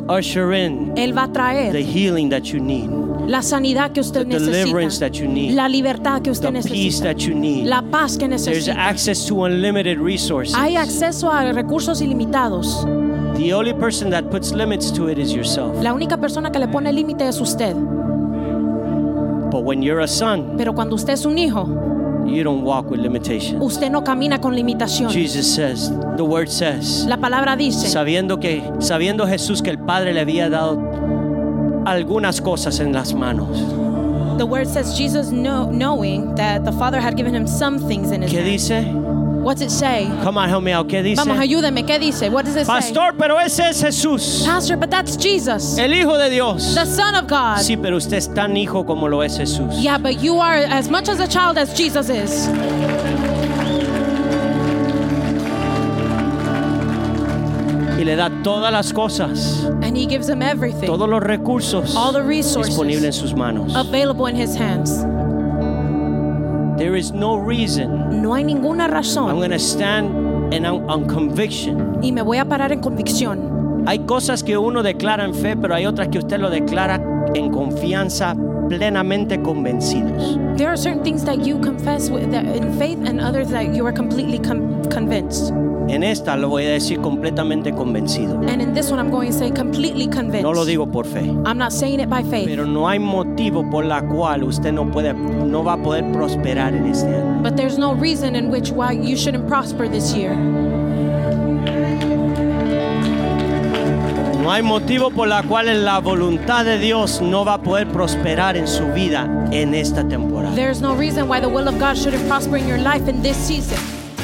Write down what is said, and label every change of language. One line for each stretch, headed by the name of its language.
English: Will usher in.
Spanish: Él va a traer
English: the healing that you need,
Spanish: la sanidad que usted
English: the
Spanish: necesita,
English: deliverance that you need,
Spanish: la libertad que usted
English: the
Spanish: necesita,
English: peace that you need,
Spanish: la paz que necesita.
English: There's access to unlimited resources.
Spanish: Hay acceso a recursos ilimitados.
English: The only person that puts limits to it is yourself.
Spanish: La única persona que le pone límite es usted.
English: But when you're a son,
Spanish: pero cuando usted es un hijo,
English: you don't walk with limitations.
Spanish: Usted no camina con limitaciones.
English: Jesus says, the word says,
Spanish: la palabra dice, sabiendo Jesús que el Padre le había dado algunas cosas en las manos.
English: The word says, Jesus knowing that the Father had given him some things in his
Spanish: ¿qué dice?
English: Hand. What's it say? Come on, help me out.
Spanish: ¿Qué dice? Vamos, ayúdeme. ¿Qué dice?
English: What does it
Spanish: Pastor, Pastor, pero ese es Jesús.
English: Pastor, but that's Jesus.
Spanish: El Hijo de Dios.
English: The Son of God.
Spanish: Sí, pero usted es tan hijo como lo es Jesús.
English: Yeah, but you are as much as a child as Jesus is.
Spanish: Y le da todas las cosas,
English: and he gives him everything,
Spanish: todos los recursos,
English: all the resources
Spanish: disponibles en sus manos,
English: available in his hands. There is no reason,
Spanish: no hay ninguna razón,
English: I'm going to stand on conviction,
Spanish: y me voy a parar en convicción. Hay cosas que uno declara en fe, pero hay otras que usted lo declara en confianza, plenamente convencidos.
English: There are certain things that you confess with, that in faith, and others that you are completely convinced.
Spanish: En esta lo voy a decir completamente convencido.
English: And in this one I'm going to say completely convinced.
Spanish: No lo digo por fe.
English: I'm not saying it by faith.
Spanish: Pero no hay motivo por la cual usted no va a poder prosperar en este año.
English: But there's no reason in which why you shouldn't prosper this year.
Spanish: No hay motivo por la cual la voluntad de Dios no va a poder prosperar en su vida en esta temporada.
English: There's no reason why the will of God shouldn't prosper in your life in this season.